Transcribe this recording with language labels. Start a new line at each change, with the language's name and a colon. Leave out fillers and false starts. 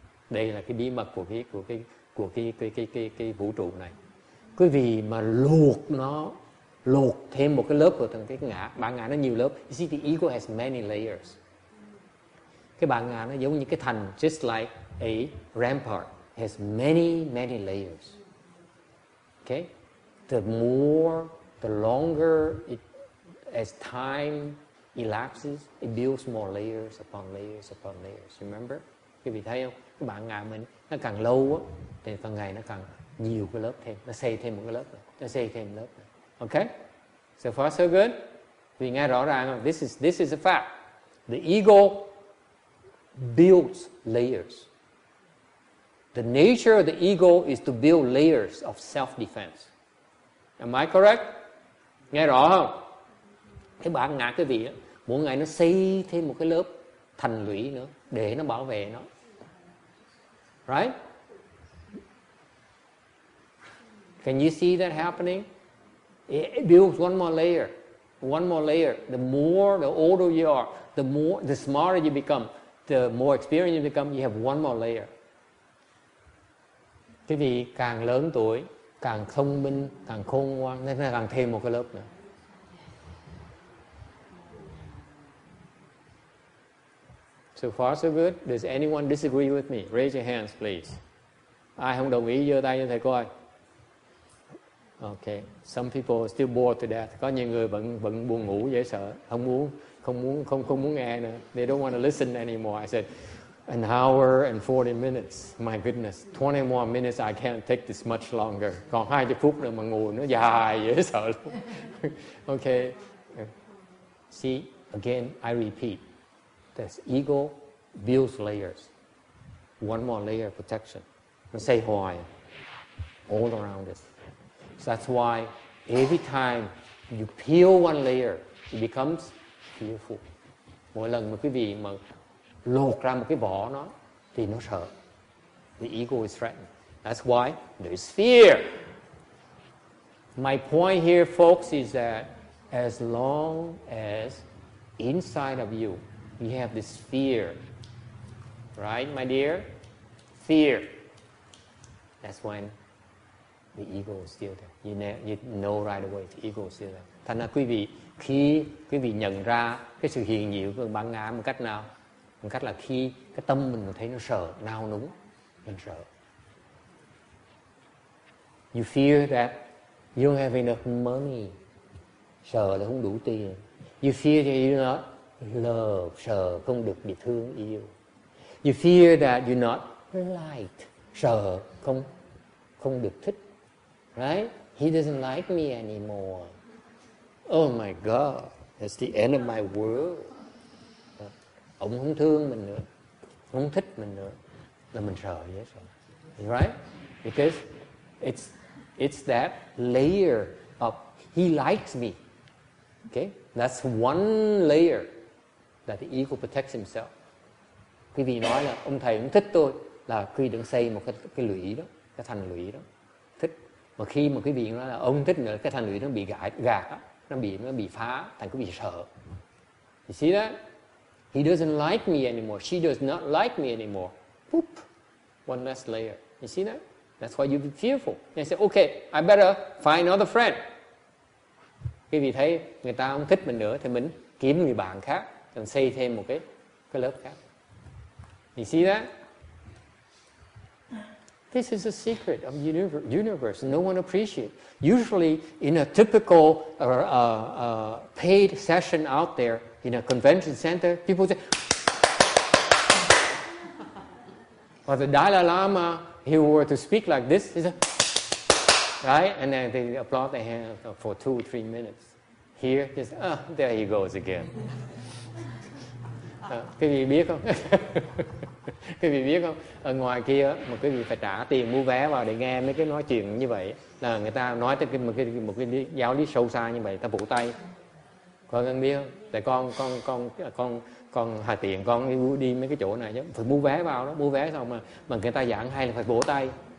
Vietnamese: Đây là cái bí mật của cái vũ trụ này. Quý vị mà luộc nó, luộc thêm một cái lớp của thằng cái ngã, bản ngã nó nhiều lớp.
English: You see, the ego has many layers.
Vietnamese: Cái bản ngã nó giống như cái thành,
English: just like a rampart. Has many, many layers. Okay? The more, the longer it, as time elapses, it builds more layers upon layers upon layers. Remember?
Vietnamese: Quý vị thấy không? Cái bản ngã mình, nó càng lâu á, thì càng ngày nó càng nhiều cái lớp thêm. Nó xây thêm một cái lớp. Nó xây thêm lớp. Okay?
English: So far, so good?
Vietnamese: Vì nghe rõ ràng,
English: this is a fact. The ego builds layers. The nature of the ego is to build layers of self-defense. Am I correct?
Vietnamese: Nghe rõ không? Cái bản ngã cái vị, mỗi ngày nó xây thêm một cái lớp thành lũy nữa để nó bảo vệ nó.
English: Right? Can you see that happening? It builds one more layer. One more layer. The more, the older you are, the smarter you become, the more experienced you become, you have one more layer.
Vietnamese: Quý vị càng lớn tuổi, càng thông minh, càng khôn ngoan, nên càng thêm một cái lớp nữa.
English: So far so good. Does anyone disagree with me? Raise your hands, please.
Vietnamese: Ai không đồng ý, giơ tay cho thầy coi. Okay.
English: Some people are still bored to death.
Vietnamese: Có nhiều người vẫn buồn ngủ, dễ sợ, không muốn nghe nữa.
English: They don't want to listen anymore. I said, an hour and 40 minutes. My goodness, 20 more minutes. I can't take this much longer.
Vietnamese: Còn 20 phút nữa mà ngủ nữa, dài, dễ sợ luôn.
English: Okay. See, again, I repeat. This ego builds layers. One more layer of protection.
Vietnamese: Nó xây hoài.
English: All around us. So that's why every time you peel one layer, it becomes fearful.
Vietnamese: Mỗi lần mà quý vị mà lột ra một cái vỏ nó, thì nó sợ.
English: The ego is threatened. That's why there is fear. My point here, folks, is that as long as inside of you, you have this fear, right, my dear? Fear. That's when the ego is still there. You know right away, the ego is still there.
Vietnamese: Thành ra quý vị, khi quý vị nhận ra cái sự hiện diện của bản ngã một cách nào? Một cách là khi cái tâm mình thấy nó sợ, nao núng, mình sợ.
English: You fear that you don't have enough money.
Vietnamese: Sợ là không đủ tiền.
English: You fear that you're not loved.
Vietnamese: Sợ không được bị thương yêu.
English: You fear that you're not liked.
Vietnamese: Sợ không được thích.
English: Right? He doesn't like me anymore. Oh my God, that's the end of my world.
Vietnamese: Ông không thương mình nữa, không thích mình nữa, là mình sợ dễ sợ.
English: Right? Because it's that layer of he likes me. Okay? That's one layer that the ego protects himself.
Vietnamese: Quý vị nói là ông thầy cũng thích tôi, là quý vị đang xây một cái lũy đó, cái thành lũy đó. Thích. Mà khi mà quý vị nói là ông thích nữa, cái thành lũy nó bị gạt, nó bị phá, thành quý vị sợ.
English: You see that? He doesn't like me anymore. She does not like me anymore. Boop. One less layer. You see that? That's why you be fearful. And say, okay, I better find another friend.
Vietnamese: Khi vì thấy người ta không thích mình nữa, thì mình kiếm người bạn khác, cần xây thêm một cái lớp khác.
English: You see that? This is a secret of universe. No one appreciates. Usually, in a typical paid session out there, in a convention center, people say, or the Dalai Lama, he were to speak like this, he said, right? And then they applaud their hands for 2 or 3 minutes. Here, he says, oh, there he goes again.
Vietnamese: Quý vị biết không? Quý vị biết không? Ở ngoài kia, mà quý vị phải trả tiền mua vé vào để nghe mấy cái nói chuyện như vậy. Là người ta nói tới một cái giáo lý sâu xa như vậy, ta vỗ tay. Con ăn biết không? Tại con hà tiện con đi mấy cái chỗ này chứ phải mua vé vào đó, mua vé xong mà người ta giảng hay là phải vỗ tay.